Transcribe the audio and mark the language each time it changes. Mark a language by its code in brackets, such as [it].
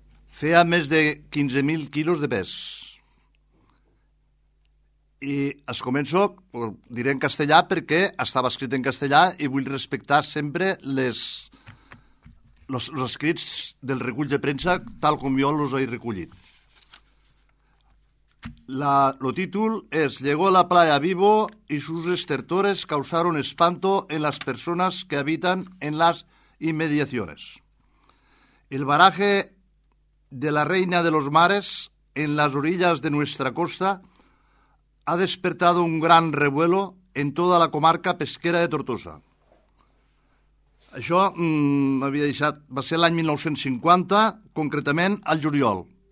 [ca] Feia més de 15.000 quilos de pes. I es començo, diré en castellà perquè estava escrit en castellà i vull respectar sempre els escrits del recull de premsa tal com jo els he recollit. El títol és [es] Llegó a la playa vivo y sus estertores causaron espanto en las personas que habitan en las inmediaciones. El baraje de la reina de los mares en las orillas de nuestra costa ha despertado un gran revuelo en toda la comarca pesquera de Tortosa. [ca] Això m'havia deixat, va ser l'any 1950, concretament al juliol.